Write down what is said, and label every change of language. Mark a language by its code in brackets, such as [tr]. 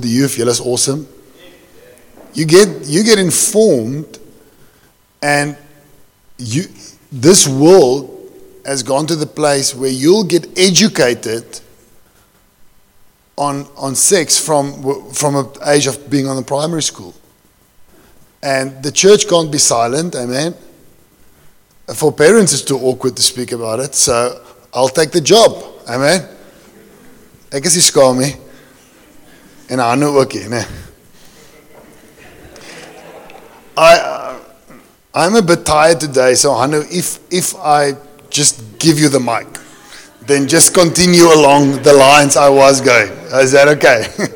[en] The youth here is awesome. You get informed, and this world has gone to the place where you'll get educated on sex from an age of being on the primary school. And the church can't be silent, amen? For parents, it's too awkward to speak about it, so I'll take the job, amen? [af] Ek is die skame, en Anu ook hier, ne? [en] I'm a bit tired today, so Anu, if I just give you the mic, then just continue along the lines I was going. Is that okay?